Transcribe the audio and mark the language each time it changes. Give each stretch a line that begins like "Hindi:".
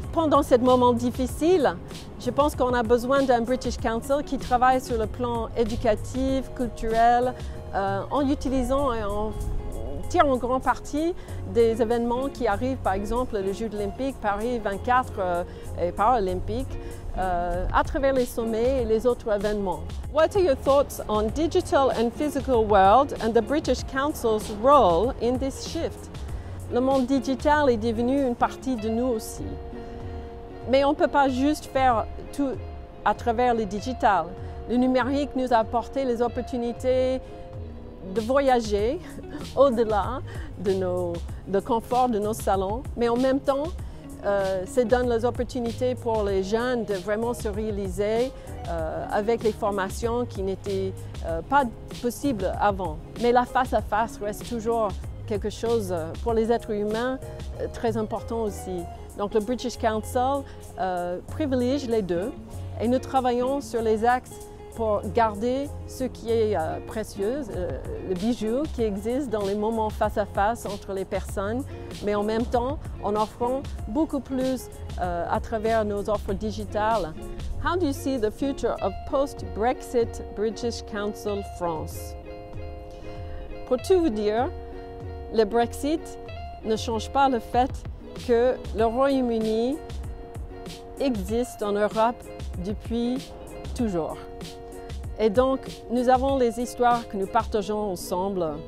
French: Pendant ce moment difficile, je pense qu'on a besoin d'un British Council qui travaille sur le plan éducatif, culturel, en utilisant et en tire en grande partie des événements qui arrivent, par exemple le Jeux olympiques, Paris 24 et Paralympiques, à travers les sommets et les autres événements.
English: What are your thoughts on digital and physical world and the British Council's role in this shift?
French: Le monde digital est devenu une partie de nous aussi. Mais on ne peut pas juste faire tout à travers le digital. Le numérique nous a apporté les opportunités de voyager au-delà de confort de nos salons, mais en même temps, ça donne les opportunités pour les jeunes de vraiment se réaliser avec les formations qui n'étaient pas possibles avant. Mais la face-à-face reste toujours quelque chose pour les êtres humains très important aussi. Donc le British Council privilégie les deux et nous travaillons sur les axes pour garder ce qui est précieux, le bijou qui existe dans les moments face à face entre les personnes, mais en même temps en offrant beaucoup plus à travers nos offres digitales.
English: How do you see the future of post-Brexit British Council France?
French: Pour tout vous dire, le Brexit ne change pas le fait que le Royaume-Uni existe en Europe depuis toujours. Et donc, nous avons les histoires que nous partageons ensemble.